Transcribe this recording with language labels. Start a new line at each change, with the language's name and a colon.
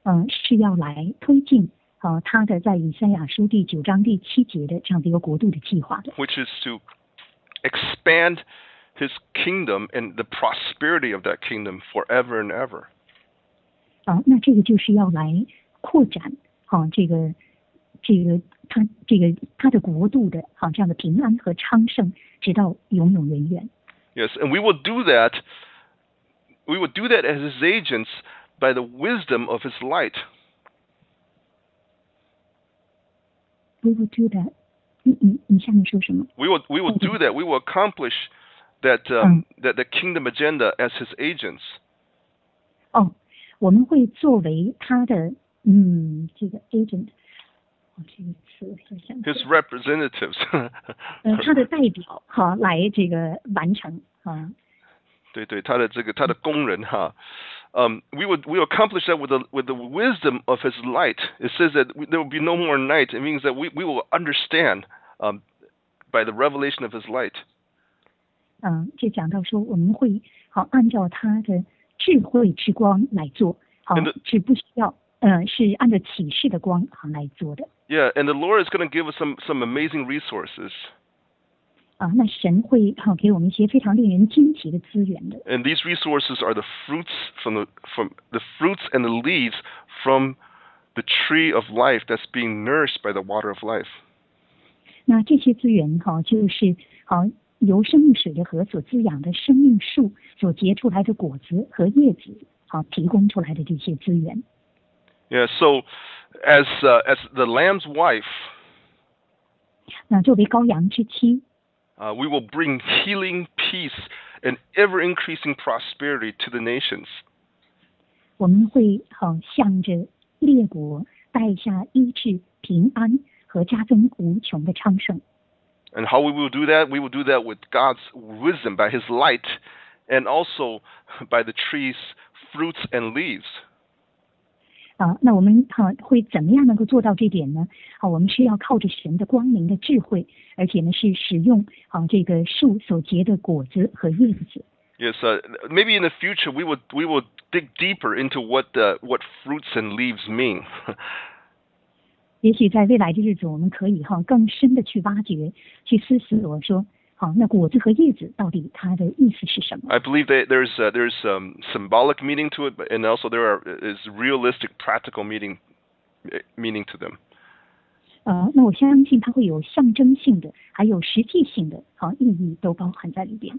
Chinese: 是要来推进他的在以赛亚书第九章第七节的这样的一个国度的计划的。
English: Which is to expand his kingdom and the prosperity of that kingdom forever and ever.
Chinese: 那这个就是要来扩展他的国度的这样的平安和昌盛直到永永远远。
English: Yes, and we will do that as his agents by the wisdom of his light. We will do that.
Chinese: 你下面说什么？
English: We will do that. We will accomplish that, that the kingdom agenda as his agents.
Chinese: 我们会作为他的这个 agent， 这个词想想。
English: His representatives 。
Chinese: 他的代表哈来这个完成啊。对对，他的这个他的工人哈。
English: We accomplish that with the wisdom of his light. It says that there will be no more night. It means that we will understand by the revelation of his light.
Chinese: 就讲到说我们会好按照他的智慧之光来做，好只不需要是按照启示的光好来做的。
English: Yeah, and the Lord is going to give us some amazing resources.
Chinese: 那神会好给我们一些非常令人惊奇的资源的。
English: And these resources are the fruits from the fruits and the leaves from the tree of life that's being nourished by the water of life.
Chinese: 那这些资源好就是好。由生命水的河所滋养的生命树所结出来的果子和叶子，好提供出来的这些资源。
English: Yeah, so as the Lamb's wife,
Chinese: 那作为羔羊之妻，
English: we will bring healing, peace, and ever increasing prosperity to the nations.
Chinese: 我们会好向着列国带下医治、平安和加增无穷的昌盛。
English: And how we will do that? We will do that with God's wisdom, by His light, and also by the tree's fruits and leaves.
Chinese: 那我们会怎么样能够做到这点呢？我们是要靠着神的光明的智慧，而且呢是使用这个树所结的果子和叶子。
English: Yes, maybe in the future we will dig deeper into what fruits and leaves mean.
Chinese: 也许在未来的日子，我们可以更深的去挖掘、去思索，说，好，那果子和叶子到底它的意思是什么
English: ？I believe that there's symbolic meaning to it, and also there is realistic practical meaning to them.
Chinese: 那我相信它会有象征性的，还有实际性的，好意义都包含在里边。